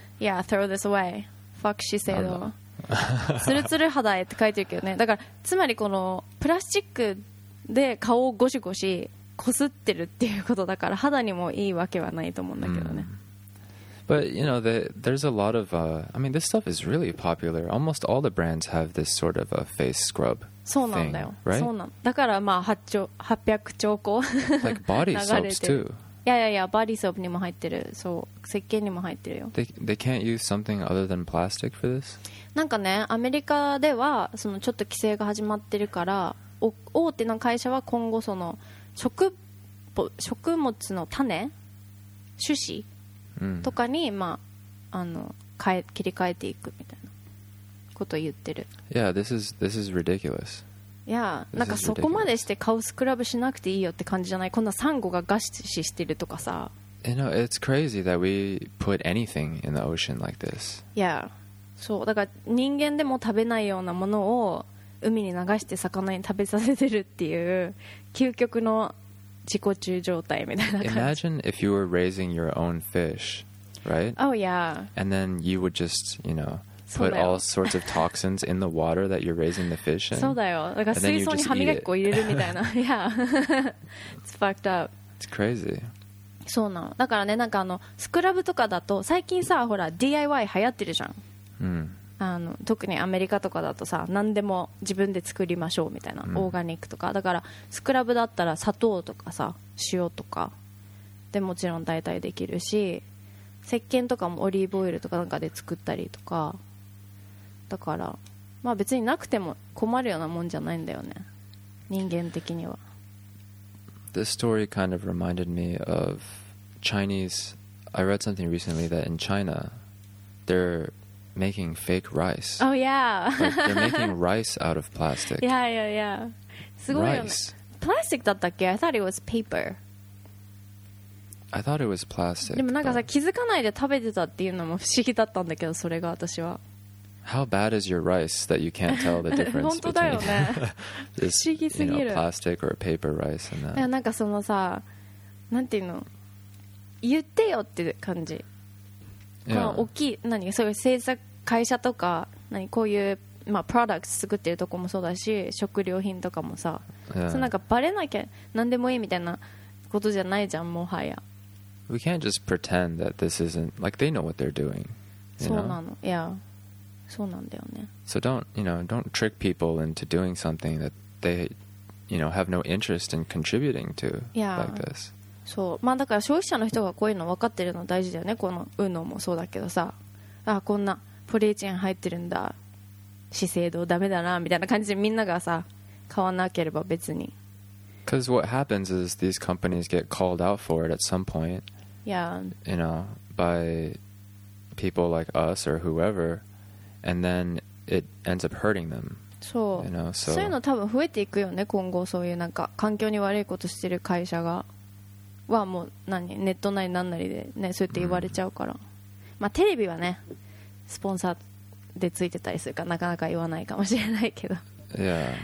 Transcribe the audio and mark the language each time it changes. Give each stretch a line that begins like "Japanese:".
English: Yeah, throw this away. Fuck 資生堂。
Japanese: ツルツル肌へって書いてるけどね。だからつまりこのプラスチックで顔をゴシゴシこすってるっていうことだから、肌にもいいわけはないと思うんだけどね。うん、
English: But you know, there's a lot of. I mean, this stuff is really popular. Almost all the brands have this sort of a face scrub.
Japanese: そうなんだよ。
English: thing, right?
Japanese: そうなんだ。だからまあ800兆個。
English: Like body soaps too. Yeah, yeah, yeah. Body soap
Japanese: にも入ってる。そう、石鹸にも入ってるよ。
English: They can't use something other than plastic for this?
Japanese: なんかね、アメリカではそのちょっと規制が始まってるから、大手の会社は今後その食物の種、種子。とかに、まあ、あの切り替えていくみたいなことを言ってる。
English: Yeah, this is ridiculous.
Japanese: Yeah, なんかそこまでして顔スクラブしなくていいよって感じじゃない？こんなサンゴが餓死してるとかさ。
English: You know, it's crazy that we put anything in the ocean like this.
Japanese: Yeah, そう、だから人間でも食べないようなものを海に流して魚に食べさせてるっていう究極の自己中状態みたいな感じ。
English: Imagine if you were raising your own fish, right? Oh yeah. And then you would just, you know, put all sorts of toxins in the water that you're raising the fish in.
Japanese: そうだよ。だから水槽に歯磨き粉入れるみたいな。
English: Yeah. It's fucked up. It's crazy.
Japanese: そうなの。だからね、なんかあのスクラブとかだと最近さ、ほら DIY 流行ってるじゃん。あの特にアメリカとかだとさ何でも自分で作りましょうみたいな、うん、オーガニックとかだからスクラブだったら砂糖とかさ塩とかでもちろん代替できるし石鹸とかもオリーブオイルとかなんかで作ったりとかだからまあ別になくても困るようなもんじゃないんだよね人間的には
English: This story kind of reminded me of Chinese I read something recently that in China they're making fake rice Oh yeah like, They're making rice out of plastic
Japanese: Yeah yeah yeah すごいよね Plastic だったっけ?
English: I thought it was paper I thought it was plastic.
Japanese: でもなんかさ気づかないで食べてたっていうのも不思議だったんだけどそれが私は。
English: How bad is your rice that you can't tell the difference?
Japanese: 本当だよね。不思議すぎる。
English: You know, plastic or paper rice and that.
Japanese: いやなんかそのさなんていうの言ってよって感じ。この大きい何そういう製作会社とか何こういうまあプロダクツ作ってるとこもそうだし食料品とかもさ、そうなんかバレなきゃ何でもいいみたいな。ことじゃないじゃんもはや
English: We can't just pretend that this isn't Like they know what they're doing
Japanese: そうなの、いや、そうなんだよね
English: So don't, you know, don't trick people into doing something that they, you know, have no interest in contributing to like this
Japanese: そう、まあだから消費者の人がこういうの分かってるの大事だよねこのウノもそうだけどさあこんなポリエチレン入ってるんだ資生堂ダメだなみたいな感じでみんながさ買わなければ別に
English: Because what happens is these companies get called out for it at some point. Yeah. You know, by people like us or whoever, and then it ends up hurting them.
Japanese: そう。
English: You know, so.
Japanese: そういうの多分増えていくよね。今後そういうなんか環境に悪いことしてる会社がはもう何ネット内なんなりでねそうやって言われちゃうから。まあテレビはねスポンサーでついてたりするかなかなか言わないかもしれないけど。
English: Yeah.